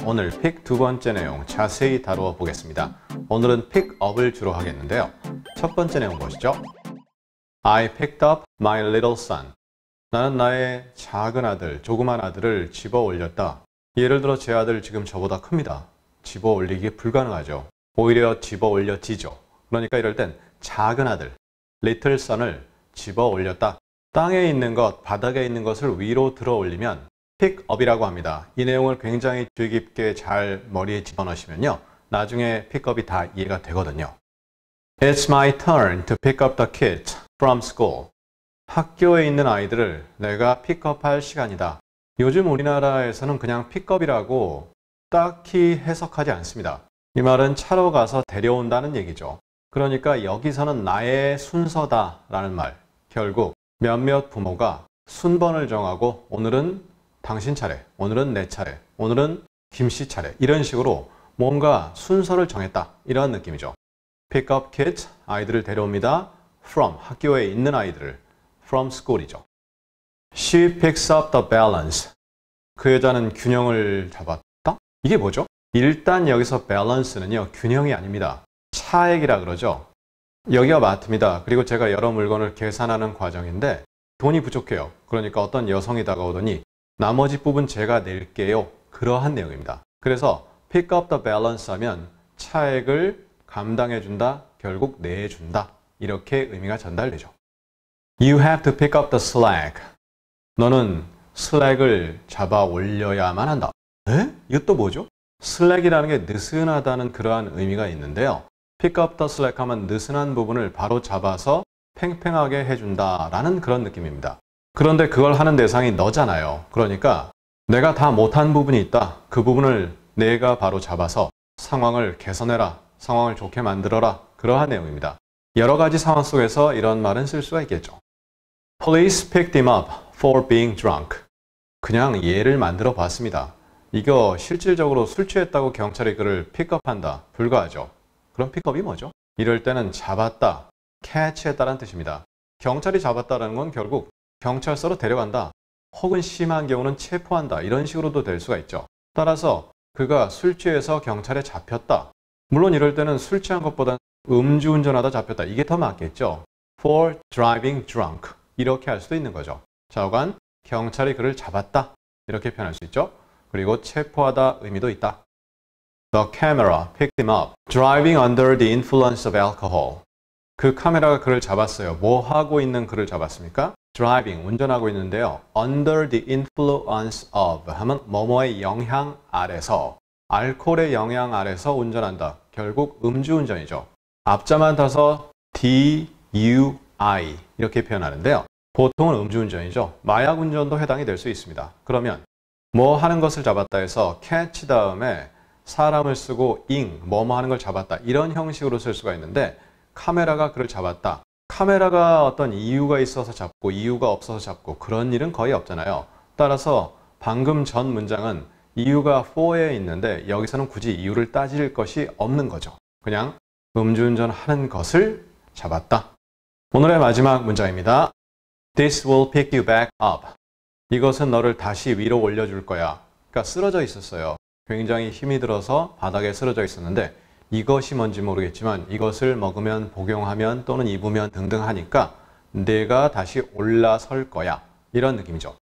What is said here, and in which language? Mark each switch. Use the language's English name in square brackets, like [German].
[Korean] 오늘 픽 두 번째 내용 자세히 다루어 보겠습니다. 오늘은 픽 업을 주로 하겠는데요. 첫 번째 내용 보시죠. [English] I picked up my little son. [Korean] 나는 나의 작은 아들, 조그만 아들을 집어 올렸다. 예를 들어 제 아들 지금 저보다 큽니다. 집어 올리기 불가능하죠. 오히려 집어 올려지죠. 그러니까 이럴 땐 작은 아들, little son을 집어 올렸다. 땅에 있는 것, 바닥에 있는 것을 위로 들어 올리면 pick up이라고 합니다. 이 내용을 굉장히 주의 깊게 잘 머리에 집어넣으시면요. 나중에 pick up이 다 이해가 되거든요. [English] It's my turn to pick up the kids from school. [Korean] 학교에 있는 아이들을 내가 pick up 할 시간이다. 요즘 우리나라에서는 그냥 pick up이라고 딱히 해석하지 않습니다. 이 말은 차로 가서 데려온다는 얘기죠. 그러니까 여기서는 나의 순서다 라는 말. 결국 몇몇 부모가 순번을 정하고 오늘은 당신 차례, 오늘은 내 차례, 오늘은 김씨 차례 이런 식으로 뭔가 순서를 정했다 이런 느낌이죠. [English] Pick up kids, [Korean] 아이들을 데려옵니다. From, 학교에 있는 아이들을. [English] From school이죠. She picks up the balance. [Korean] 그 여자는 균형을 잡았다? 이게 뭐죠? 일단 여기서 balance는요, 균형이 아닙니다. 차액이라 그러죠. 여기가 마트입니다. 그리고 제가 여러 물건을 계산하는 과정인데 돈이 부족해요. 그러니까 어떤 여성이 다가오더니 나머지 부분 제가 낼게요. 그러한 내용입니다. 그래서 pick up the balance 하면 차액을 감당해준다, 결국 내준다. 이렇게 의미가 전달되죠. [English] You have to pick up the slack. [Korean] 너는 slack을 잡아 올려야만 한다. 에? 이것도 뭐죠? slack이라는 게 느슨하다는 그러한 의미가 있는데요. pick up the slack 하면 느슨한 부분을 바로 잡아서 팽팽하게 해준다 라는 그런 느낌입니다. 그런데 그걸 하는 대상이 너잖아요. 그러니까 내가 다 못한 부분이 있다. 그 부분을 내가 바로 잡아서 상황을 개선해라. 상황을 좋게 만들어라. 그러한 내용입니다. 여러 가지 상황 속에서 이런 말은 쓸 수가 있겠죠. [English] Police picked him up for being drunk. [Korean] 그냥 예를 만들어 봤습니다. 이거 실질적으로 술 취했다고 경찰이 그를 픽업한다. 불가하죠. 그럼 픽업이 뭐죠? 이럴 때는 잡았다. 캐치했다라는 뜻입니다. 경찰이 잡았다라는 건 결국 경찰서로 데려간다. 혹은 심한 경우는 체포한다. 이런 식으로도 될 수가 있죠. 따라서 그가 술 취해서 경찰에 잡혔다. 물론 이럴 때는 술 취한 것보다 음주운전하다 잡혔다. 이게 더 맞겠죠. [English] For driving drunk. [Korean] 이렇게 할 수도 있는 거죠. 좌우간 경찰이 그를 잡았다. 이렇게 표현할 수 있죠. 그리고 체포하다 의미도 있다. [English] The camera picked him up. Driving under the influence of alcohol. [Korean] 그 카메라가 그를 잡았어요. 뭐 하고 있는 그를 잡았습니까? Driving, 운전하고 있는데요. Under the influence of 하면 뭐뭐의 영향 아래서, 알코올의 영향 아래서 운전한다. 결국 음주운전이죠. 앞자만 타서 DUI 이렇게 표현하는데요. 보통은 음주운전이죠. 마약 운전도 해당이 될 수 있습니다. 그러면 뭐 하는 것을 잡았다 해서 catch 다음에 사람을 쓰고 ing, 뭐뭐 하는 걸 잡았다. 이런 형식으로 쓸 수가 있는데 카메라가 그를 잡았다. 카메라가 어떤 이유가 있어서 잡고 이유가 없어서 잡고 그런 일은 거의 없잖아요. 따라서 방금 전 문장은 이유가 for에 있는데 여기서는 굳이 이유를 따질 것이 없는 거죠. 그냥 음주운전하는 것을 잡았다. 오늘의 마지막 문장입니다. [English] This will pick you back up. [Korean] 이것은 너를 다시 위로 올려줄 거야. 그러니까 쓰러져 있었어요. 굉장히 힘이 들어서 바닥에 쓰러져 있었는데 이것이 뭔지 모르겠지만 이것을 먹으면, 복용하면 또는 입으면 등등 하니까 내가 다시 올라설 거야. 이런 느낌이죠.